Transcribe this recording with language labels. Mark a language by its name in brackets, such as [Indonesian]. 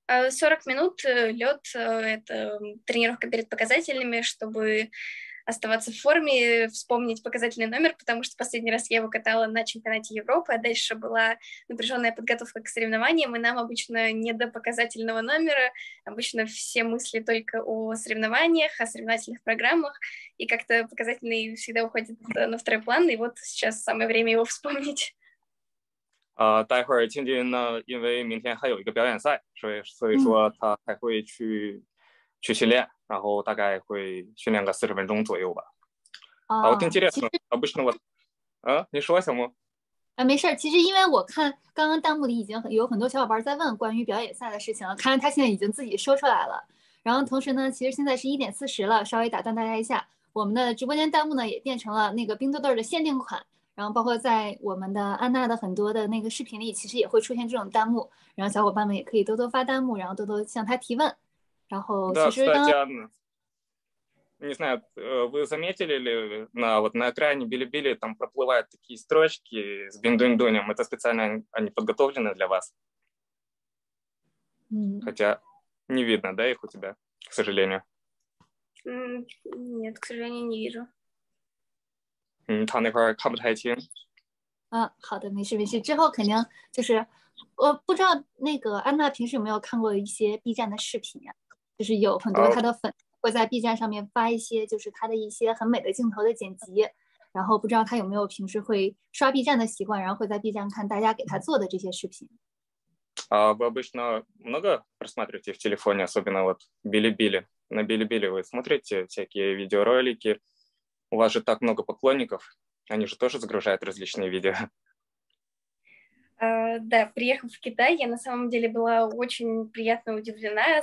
[Russian] 40 минут лед — это тренировка перед показательными, чтобы оставаться в форме, вспомнить показательный номер, потому что последний раз я его катала на чемпионате Европы, а дальше была напряженная подготовка к соревнованиям, и нам обычно не до показательного номера, обычно все мысли только о соревнованиях, о соревновательных программах, и как-то показательный всегда уходит на второй план, и вот сейчас самое время его вспомнить. [Chinese] 待会儿青青呢，因为明天还有一个表演赛，所以说他还会去训练，然后大概会训练个40分钟左右吧。啊，我挺啊，激烈其的，实，啊，不行，我，啊，你说行吗？啊，没事儿。其实，因为我看刚刚弹幕里已经有很多小伙伴在问关于表演赛的事情了，看来他现在已经自己说出来了。然后同时呢，其实现在是1:40了，稍微打断大家一下，我们的直播间弹幕呢也变成了那个冰豆豆的限定款，然后包括在我们的安娜的很多的那个视频里，其实也会出现这种弹幕，然后小伙伴们也可以多多发弹幕，然后多多向他提问。然后其实刚刚对， [Russian] кстати, не знаю, вы заметили ли на вот на экране Билибили там проплывают такие строчки с биндунь-дунем, это специально они подготовлены для вас. Хотя не видно, да, их у тебя, к сожалению. Нет, к сожалению, не вижу. [Chinese] 他那块看不太清。好的，没事没事。之后肯定就是，我不知道那个安娜平时有没有看过一些 B 站的视频呀、啊？就是有很多她的粉会在 B 站上面发一些，就是她的一些很美的镜头的剪辑。然后不知道她有没有平时会刷 B 站的习惯，然后会在 B 站看大家给她做的这些视频。 [Russian] А вы обычно много просматриваете в телефоне, особенно вот Билибили. На Билибили вы смотрите всякие видеоролики. У вас же так много поклонников. Они же тоже загружают различные видео. Да, приехав в Китай, я на самом деле была очень приятно удивлена.